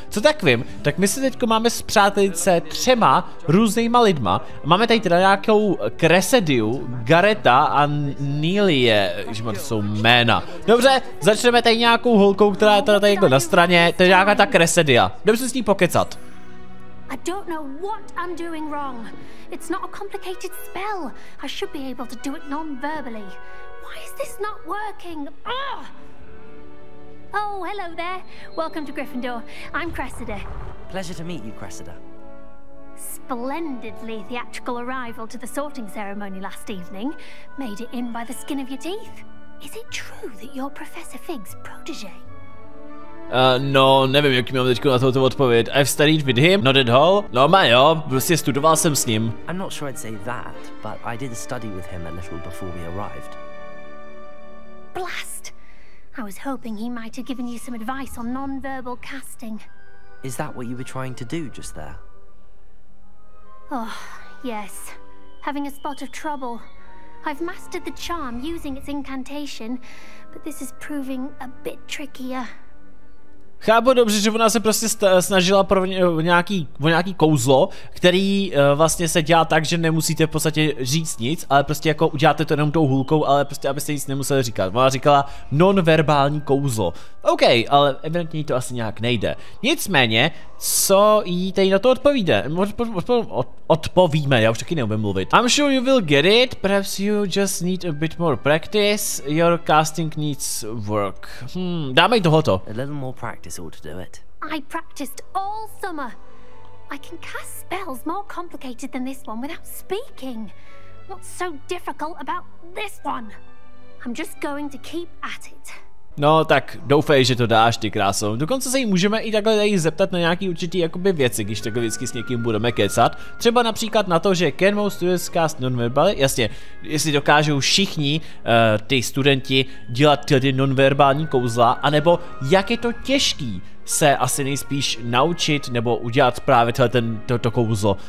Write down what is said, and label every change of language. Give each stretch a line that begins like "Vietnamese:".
Czech: Co tak vím, tak my si teď máme spřátelit se třema různýma lidma. Máme tady teda nějakou Cressidyu, Garetha a Nilie, že to jsou jména. Dobře, začneme tady nějakou holkou, která je teda tady jako na straně, to je nějaká ta Cressidya. Jdeme si s ní pokecat.
English: I don't know what I'm doing wrong. It's not a complicated spell. I should be able to do it non-verbally. Why is this not working? Ugh! Oh, hello there. Welcome to Gryffindor. I'm Cressida. Pleasure to meet you, Cressida. Splendidly theatrical arrival to the sorting ceremony last evening. Made it in by the skin of your teeth. Is it true that you're Professor Fig's protege?
Czech: No, nevím, jaký mám teď na to odpověď.
English: I've studied with him, not at all.
Czech: No, má jo, prostě studoval jsem s ním.
English: I'm not sure I'd say that, but I did study with him a little before we arrived. Blast! I was hoping he might have given you some advice on non-verbal casting. Is that what you were trying to do just there? Oh, yes. Having a spot of trouble. I've mastered the charm using its incantation, but this is proving a bit trickier.
Czech: Chápu dobře, že ona se prostě snažila pro nějaký kouzlo, který vlastně se dělá tak, že nemusíte v podstatě říct nic, ale prostě jako uděláte to jenom tou hůlkou, ale prostě abyste nic nemuseli říkat. Ona říkala nonverbální kouzlo. OK, ale evidentně jí to asi nějak nejde. Nicméně, co jí tady na to odpovíde? Odpovíme, já už taky neumím mluvit.
English: I'm sure you will get it, perhaps you just need a bit more practice. Your casting needs work.
Czech: Dáme jí tohoto.
English: A little more practice. I practiced all summer. I can cast spells more complicated than this one without speaking. What's so difficult about this one? I'm just going to keep at it.
Czech: No, tak doufej, že to dáš, ty kráso. Dokonce se jí můžeme i takhle tady zeptat na nějaký určitý jakoby věci, když takhle vždycky s někým budeme kecat. Třeba například na to, že
English: can most students cast nonverbally?
Czech: Jasně, jestli dokážou všichni ty studenti dělat tedy nonverbální kouzla, anebo jak je to těžký se asi nejspíš naučit nebo udělat právě tohle toto kouzlo.